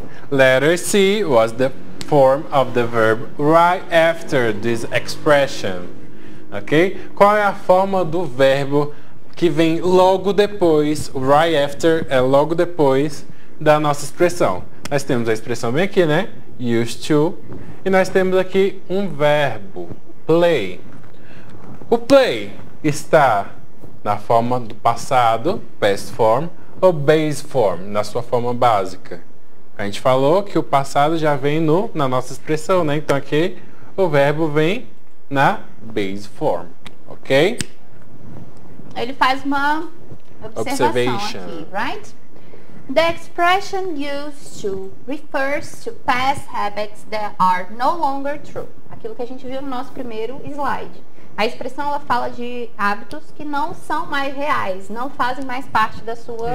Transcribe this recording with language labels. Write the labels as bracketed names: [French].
[English] Letter C was the form of the verb right after this expression. Ok? [Portuguese] Qual é a forma do verbo que vem logo depois, [English] right after, [Portuguese] é logo depois da nossa expressão? Nós temos a expressão bem aqui, né? Used to. E nós temos aqui um verbo, play. O play está na forma do passado, [English] past form, [Portuguese] ou base form, na sua forma básica. A gente falou que o passado já vem no, na nossa expressão, né? Então aqui o verbo vem na base form, ok? Ele faz uma [English] observation [Portuguese] aqui, right? [English] The expression used to refers to past habits that are no longer true. [Portuguese] Aquilo que a gente viu no nosso primeiro slide. A expressão, ela fala de hábitos que não são mais reais, não fazem mais parte da sua